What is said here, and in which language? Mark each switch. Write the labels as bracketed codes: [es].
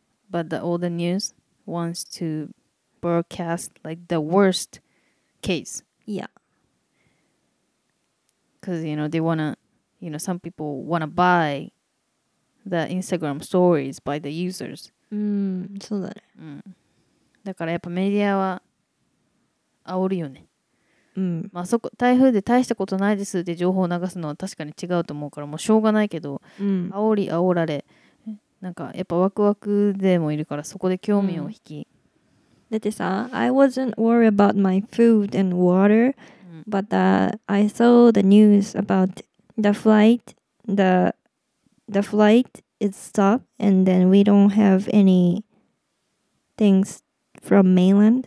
[en] But all the news wants to broadcast like the worst case. Yeah. Because, you know, they want to. You know, some people want to buy the Instagram stories by the users. [ja] そうだね。うん。だからやっぱメディアは煽るよね。うん。まあそこ、台風で大したことないですって情報を流すのは確かに違うと思うから、もうしょうがないけど、うん、煽り煽られ、なんかやっぱワクワクでもいるからそこで興味を引き。うん、だってさ、 [en] I wasn't worried about my food and water,、うん、but I saw the news aboutThe flight is stopped, and then we don't have any things from mainland.